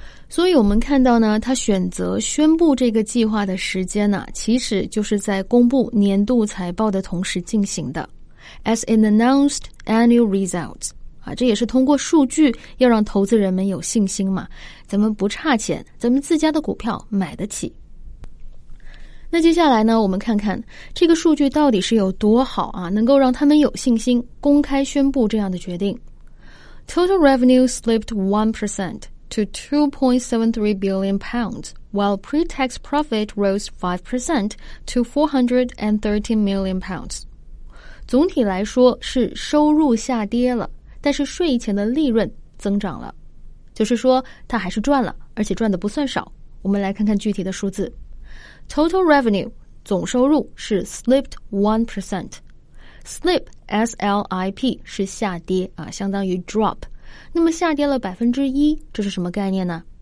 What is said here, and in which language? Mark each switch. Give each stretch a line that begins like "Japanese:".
Chinese: 所以我们看到呢，他选择宣布这个计划的时间呢，其实就是在公布年度财报的同时进行的，
English: As it announced annual results、
Chinese: 啊、这也是通过数据要让投资人们有信心嘛，咱们不差钱，咱们自家的股票买得起。那接下来呢，我们看看这个数据到底是有多好啊，能够让他们有信心公开宣布这样的决定。
English: Total revenue slipped 1% to £2.73 billion, while pre-tax profit rose 5% to £413 million.
Chinese: 总体来说是收入下跌了，但是税前的利润增长了，就是说它还是赚了，而且赚的不算少。我们来看看具体的数字。Total revenue 总收入是 slipped 1%， slip S-L-I-P 是下跌啊，相当于 drop， 那么下跌了 1%， 这是什么概念呢？